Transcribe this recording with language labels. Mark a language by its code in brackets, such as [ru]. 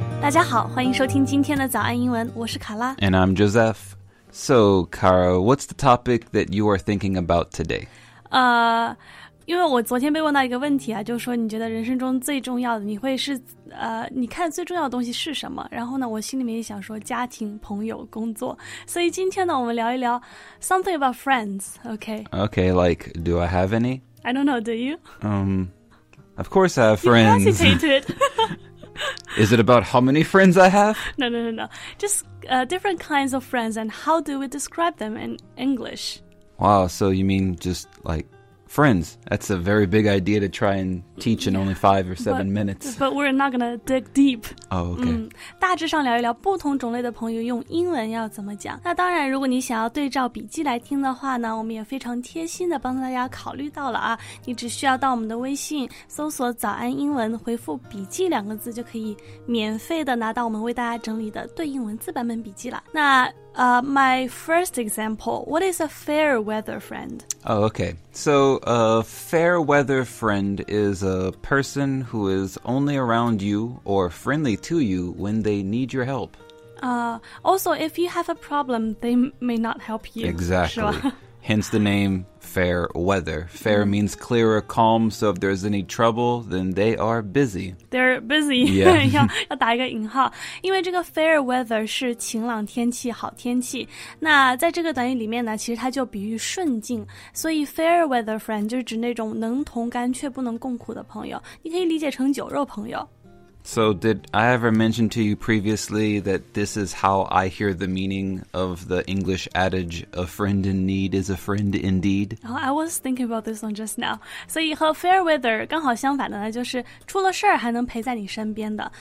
[zh] 家好，欢迎收听今天的早安英文，我是卡拉。 [en] And I'm Joseph. So, Cara, what's the topic that you are thinking about today? [zh] 因为我昨天被问到一个问题啊，就是说你觉得人生中最重要的，你会是你看最重要的东西是什么？然后呢，我心里面也想说家庭、朋友、工作。所以今天呢，我们聊一聊 [en] something about friends. Okay. Okay, like, do I have any? I don't know. Do you? Of course, I have friends. You hesitated. Is it about how many friends I have? No. Just different kinds of friends, and how do we describe them in English? Wow. So you mean just like. Friends, that's a very big idea to try and teach in only 5 or 7 minutes. But we're not going to dig deep. Oh, okay. [zh] 大致上聊一聊不同种类的朋友用英文要怎么讲。那当然如果你想要对照笔记来听的话呢，我们也非常贴心的帮大家考虑到了啊。你只需要到我们的微信搜索早安英文，回复笔记两个字就可以免费的拿到我们为大家整理的对应文字版本笔记了。 [en] 那my first example, what is a fair weather friend? Oh, okay. So a fair weather friend is a person who is only around you or friendly to you when they need your help. Also, if you have a problem, they may not help you. Exactly. Hence the name fair weather. Fair means clear or calm, so if there's any trouble, then they are busy. They're busy. Yeah. [zh] 要打一个引号。因为这个 fair weather 是晴朗天气、好天气。那在这个短语里面呢，其实它就比喻顺境。所以 fair weather friend 就是指那种能同甘却不能共苦的朋友。你可以理解成酒肉朋友。 [en] So did I ever mention to you previously that this is how I hear the meaning of the English adage, a friend in need is a friend indeed? Oh, I was thinking about this one just now. [zh] 所以和 fair weather 刚好相反的呢，就是出了事儿还能陪在你身边的。